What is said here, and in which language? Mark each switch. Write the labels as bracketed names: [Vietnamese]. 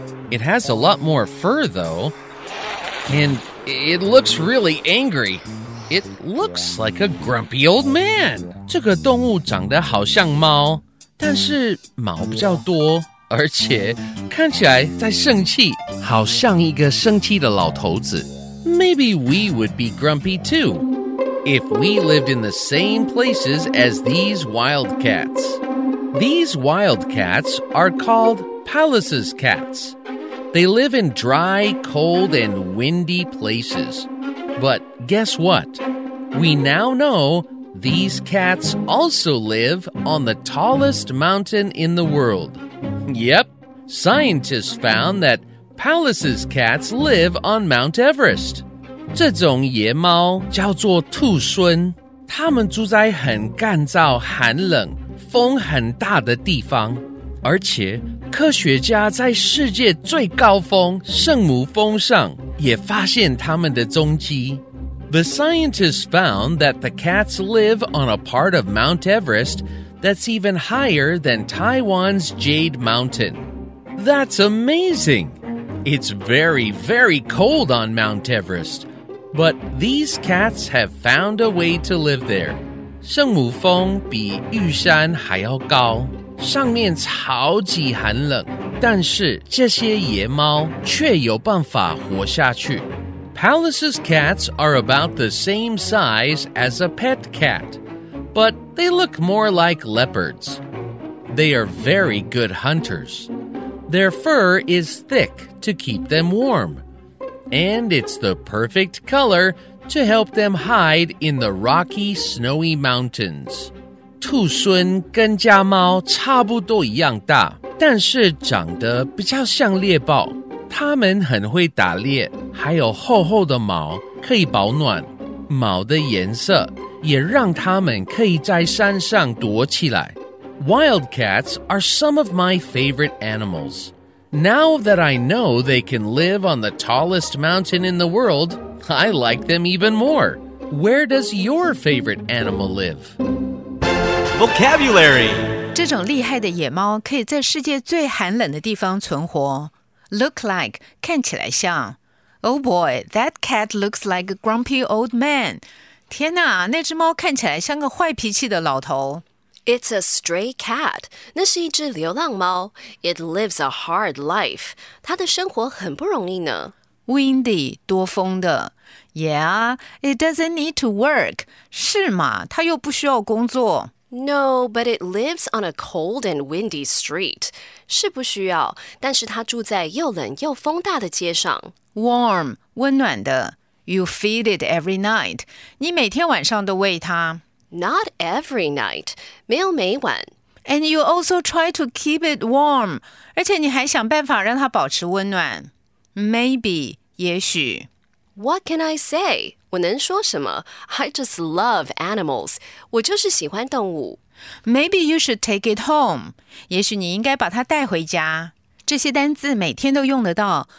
[English] It has a lot more fur, though. And it looks really angry. It looks like a grumpy old man. [Chinese] 这个动物长得好像猫，但是毛比较多，而且看起来在生气，好像一个生气的老头子。 [English] Maybe we would be grumpy too, if we lived in the same places as these wild cats. These wild cats are called Pallas's cats. They live in dry, cold, and windy places. But guess what? We now know these cats also live on the tallest mountain in the world. Yep, scientists found that Pallas's cats live on Mount Everest. [Chinese] 这种野猫叫做兔孙，它们住在很干燥、寒冷、风很大的地方，而且科学家在世界最高峰圣母峰上也发现他们的踪迹。 [English] The scientists found that the cats live on a part of Mount Everest that's even higher than Taiwan's Jade Mountain. That's amazing! It's very, very cold on Mount Everest, but these cats have found a way to live there. [Chinese] 圣母峰比玉山还要高，上面超级寒冷，但是这些野猫却有办法活下去。 [English] Pallas's cats are about the same size as a pet cat, but they look more like leopards. They are very good hunters. Their fur is thick to keep them warm, and it's the perfect color to help them hide in the rocky, snowy mountains. [Chinese] 兔孙跟家猫差不多一样大，但是长得比较像猎豹。牠们很会打猎，还有厚厚的毛可以保暖，毛的颜色也让牠们可以在山上躲起来。 [English] Wildcats are some of my favorite animals. Now that I know they can live on the tallest mountain in the world, I like them even more. Where does your favorite animal live? Vocabulary. [Chinese] 这种厉害的野猫可以在世界最寒冷的地方存活。 [English] Look like, [Chinese] 看起来像。 [English] Oh boy, that cat looks like a grumpy old man. [Chinese] 天哪，那只猫看起来像个坏脾气的老头。 [English] It's a stray cat. [Chinese] 那是一只流浪猫。 [English] It lives a hard life. [Chinese] 它的生活很不容易呢。 [English] Windy, [Chinese] 多风的。 [English] Yeah, it doesn't need to work. [Chinese] 是吗？它又不需要工作。 [English] No, but it lives on a cold and windy street. [Chinese] 是不需要，但是它住在又冷又风大的街上。 [English] Warm, [Chinese] 温暖的。 [English] You feed it every night. [Chinese] 你每天晚上都喂它。 [English] Not every night. [Chinese] 没有每晚。 [English] And you also try to keep it warm. [Chinese] 而且你还想办法让它保持温暖。 [English] Maybe, [Chinese] 也许。 [English] What can I say? [Chinese] 我能说什么? [English] I just love animals. [Chinese] 我就是喜欢动物。 [English] Maybe you should take it home. [Chinese] 也许你应该把它带回家。这些单字每天都用得到。